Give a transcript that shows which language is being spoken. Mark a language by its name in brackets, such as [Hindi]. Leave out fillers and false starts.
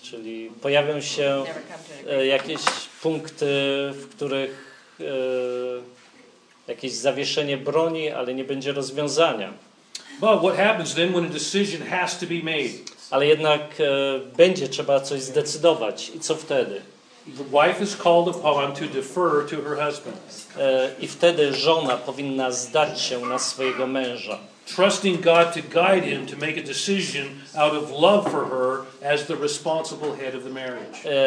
[Polish] Czyli pojawią się jakieś punkty, w których jakieś zawieszenie broni, ale nie będzie rozwiązania. [English] But what happens then when a decision has to be made? [Polish] Ale jednak będzie trzeba coś zdecydować. I co wtedy? [English] The wife is called upon to defer to her husband. [Polish] I wtedy żona powinna zdać się na swojego męża. [English] Trusting God to guide him to make a decision out of love for her as the responsible head of the marriage.